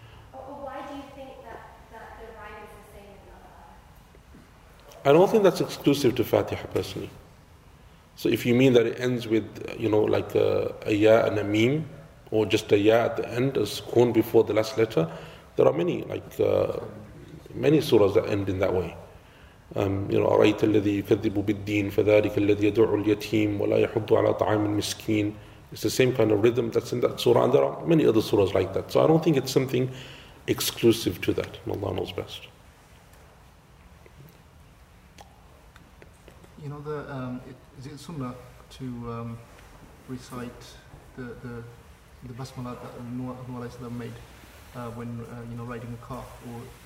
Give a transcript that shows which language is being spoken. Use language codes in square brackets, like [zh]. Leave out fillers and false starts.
[en] Why do you think that the rhyme is the same in the I don't think that's exclusive to Fatiha personally. So if you mean that it ends with, you know, like a ya and a meem, or just a ya at the end, a sukun before the last letter, there are many, many surahs that end in that way. You know, [ar] أرأيت الذي يكذب بالدين فذلك الذي يدعو اليتيم ولا يحض على طعام المسكين. [en] It's the same kind of rhythm that's in that surah, and there are many other surahs like that. So I don't think it's something exclusive to that. Allah knows best. You know, is it sunnah to recite the basmala that Nuh alayhi salam made when riding a car, or?